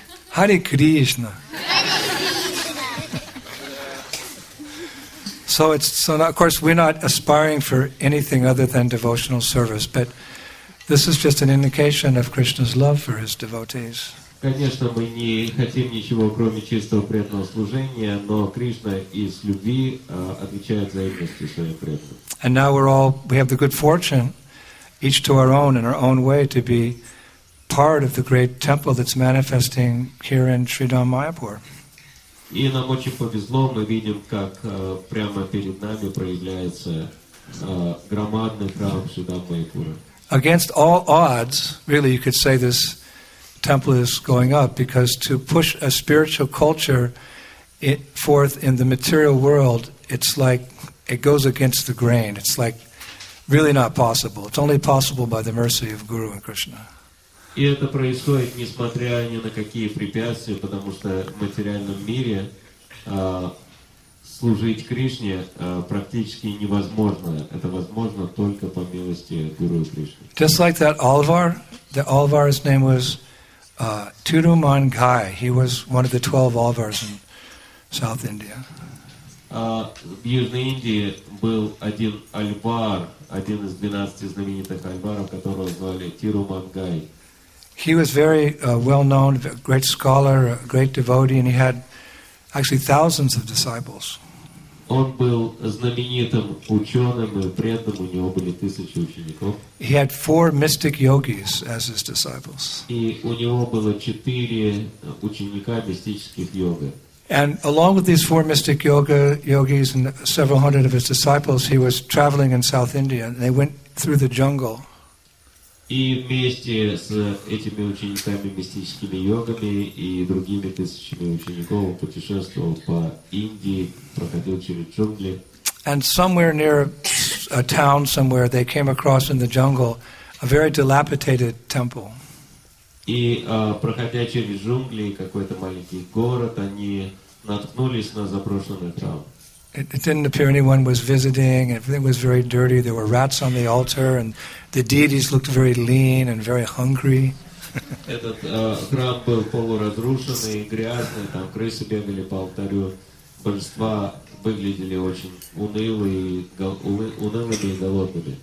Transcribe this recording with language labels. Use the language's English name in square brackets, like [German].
[English] Hare Krishna. So now, of course, we're not aspiring for anything other than devotional service, but this is just an indication of Krishna's love for His devotees. [Russian] Конечно, мы не хотим ничего, кроме чистого преданного служения, но Кришна из любви отвечает за верность своим преданным. [English] And now we have the good fortune, each to our own, in our own way, to be part of the great temple that's manifesting here in Sridhar Mayapur. [Russian] И нам очень повезло, мы видим, как прямо перед нами проявляется громадный храм сюда в Майпуре. [English] Against all odds, really, you could say this temple is going up, because to push a spiritual culture forth in the material world, it's like it goes against the grain. It's like really not possible. It's only possible by the mercy of Guru and Krishna. [Russian] И это происходит несмотря ни на какие препятствия, потому что в материальном мире служить Кришне практически невозможно. Это возможно только по милости Гуру и Кришны. [English] Just like that Alvar, the Alvar's name was Tirumal Gai. He was one of the 12 Alvars in South India. [Russian] В Южной Индии был один Альвар, один из 12 знаменитых Альваров, которого звали Tirumal Gai. [English] He was very well known, a great scholar, a great devotee, and he had actually thousands of disciples. [Russian] Он был знаменитым ученым и преданным, у него были тысячи учеников. [English] He had 4 mystic yogis as his disciples. [Russian] И у него было 4 ученика мистических йоги. [English] And along with these 4 mystic yogis and several hundred of his disciples, he was traveling in South India, and they went through the jungle. [Russian] И вместе с этими учениками, мистическими йогами и другими тысячами учеников путешествовал по Индии, проходил через джунгли. [English] And somewhere near a town somewhere, they came across in the jungle a very dilapidated temple. [Russian] И проходя через джунгли, какой-то маленький город, они наткнулись на заброшенный храм. [English] It didn't appear anyone was visiting. Everything was very dirty. There were rats on the altar, and the deities looked very lean and very hungry. [Russian] Этот храм был полуразрушенный, грязный. Там крысы бегали по алтарю. Божества выглядели очень унылыми и голодными.